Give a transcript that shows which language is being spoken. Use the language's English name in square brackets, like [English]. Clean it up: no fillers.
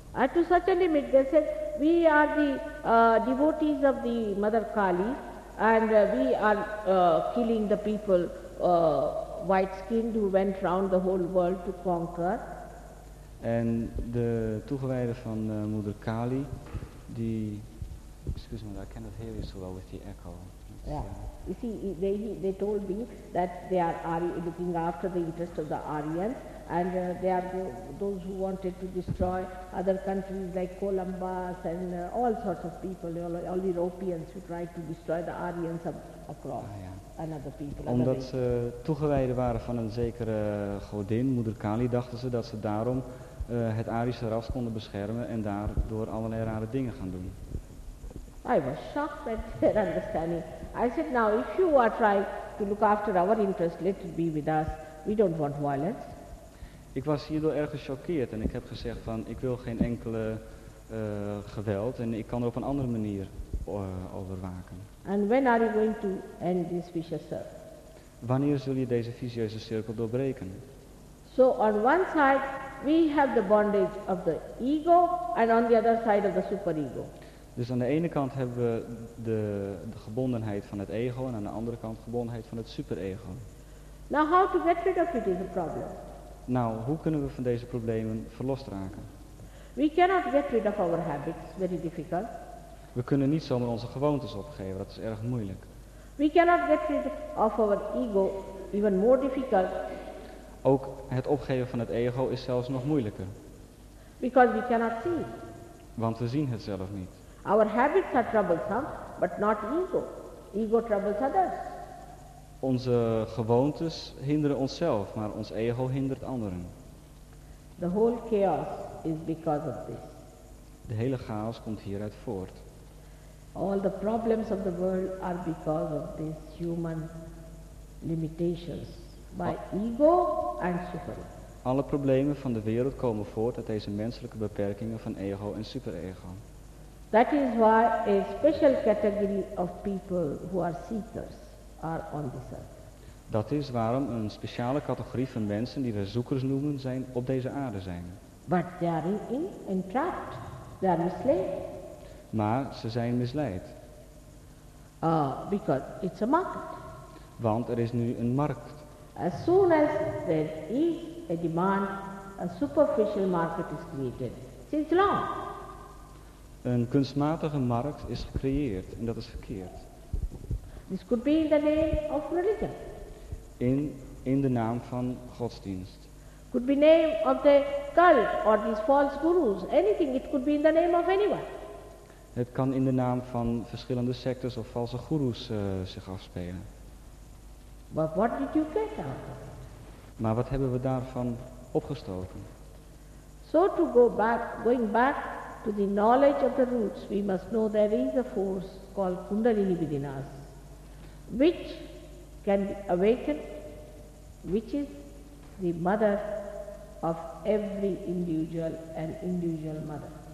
[English] And to such a limit, they said, we are the devotees of the Mother Kali, and we are killing the people, white-skinned, who went round the whole world to conquer. [Dutch] En de toegewijden van Moeder Kali, die, [English] excuse me, I cannot hear you so well with the echo. You see, they told me that they are looking after the interest of the Aryans, and they are those who wanted to destroy other countries like Columbus and all sorts of people, all Europeans who tried to destroy the Aryans across and other people. [Dutch] Omdat ze toegewijden waren van een zekere godin, Moeder Kali, dachten ze dat ze daarom het Arische ras konden beschermen en daardoor allerlei rare dingen gaan doen. [English] I was shocked at their understanding. I said, now if you are trying to look after our interest, let it be with us. We don't want violence. [Dutch] Ik was hierdoor erg gechoqueerd en ik heb gezegd van, ik wil geen enkele geweld en ik kan er op een andere manier over waken. [English] And when are you going to end this vicious circle? [Dutch] Wanneer zul je deze vicieuze cirkel doorbreken? [English] So on one side we have the bondage of the ego, and on the other side of the superego. [Dutch] Dus aan de ene kant hebben we de gebondenheid van het ego en aan de andere kant gebondenheid van het superego. [English] Now how to get rid of it is a problem. [Dutch] Nou, hoe kunnen we van deze problemen verlost raken? [English] We cannot get rid of our habits, very difficult. [Dutch] We kunnen niet zomaar onze gewoontes opgeven, dat is erg moeilijk. [English] We cannot get rid of our ego, even more difficult. [Dutch] Ook het opgeven van het ego is zelfs nog moeilijker. [English] Because we cannot see. [Dutch] Want we zien het zelf niet. [English] Our habits are troublesome, but not ego. Ego troubles others. [Dutch] Onze gewoontes hinderen onszelf, maar ons ego hindert anderen. [English] The whole chaos is because of this. [Dutch] De hele chaos komt hieruit voort. [English] All the problems of the world are because of these human limitations by ego and superego. [Dutch] Alle problemen van de wereld komen voort uit deze menselijke beperkingen van ego en superego. [English] That is why a special category of people who are seekers are on this earth. [Dutch] Dat is waarom een speciale categorie van mensen die we zoekers noemen zijn op deze aarde zijn. [English] But they are entrapped. They are misled. [Dutch] Maar ze zijn misleid. [English] Because it's a market. [Dutch] Want er is nu een markt. [English] As soon as there is a demand, a superficial market is created. Since long. [Dutch] Een kunstmatige markt is gecreëerd en dat is verkeerd. [English] This could be in the name of religion. [Dutch] In de naam van godsdienst. [English] Could be name of the cult or these false gurus. Anything, it could be in the name of anyone. [Dutch] Het kan in de naam van verschillende sectes of valse gurus zich afspelen. [English] But what did you get out of it? [Dutch] Maar wat hebben we daarvan opgestoken? [English] So to go back, going back to the knowledge of the roots, we must know there is a force called Kundalini within us, which can be awakened, which is the mother of every individual and individual mother.